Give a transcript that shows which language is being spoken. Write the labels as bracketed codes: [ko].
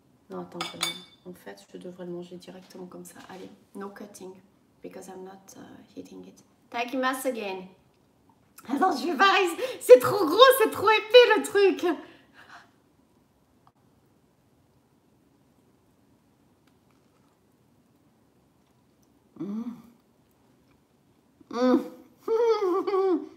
[fr] Non, attends, en fait, je devrais le manger directement comme ça. [en] Allez, no cutting, because I'm not heating it. Thank you, mass again. Attends, je vais. [fr] C'est trop gros, c'est trop épais le truc.